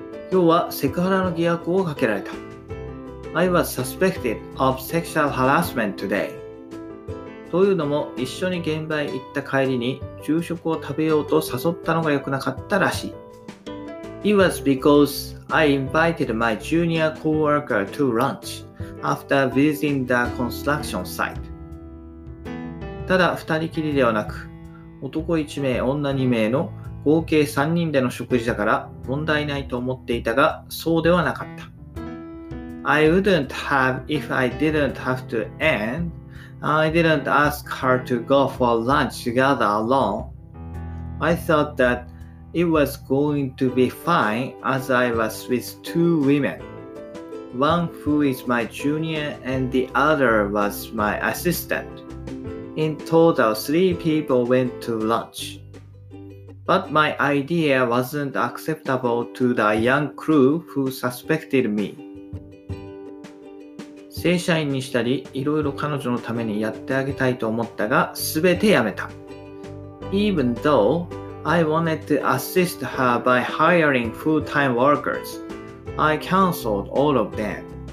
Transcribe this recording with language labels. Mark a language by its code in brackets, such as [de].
[ja] 今日はセクハラの疑惑をかけられた。 [en] I was suspected of sexual harassment today. [ja] というのも一緒に現場へ行った帰りに昼食を食べようと誘ったのが良くなかったらしい。 [en] It was because I invited my junior co-worker to lunch after visiting the construction site. [ja] ただ二人きりではなく、男1名、女2名の合計3人での食事だから問題ないと思っていたが、そうではなかった。 [en] I wouldn't have if I didn't have to and I didn't ask her to go for lunch together alone. I thought thatIt was going to be fine as I was with two women. One who is my junior and the other was my assistant. In total, three people went to lunch. But my idea wasn't acceptable to the young crew who suspected me. [ja] 正社員にしたり、いろいろ彼女のためにやってあげたいと思ったが、すべてやめた。 [en] Even thoughI wanted to assist her by hiring full-time workers. I canceled all of them.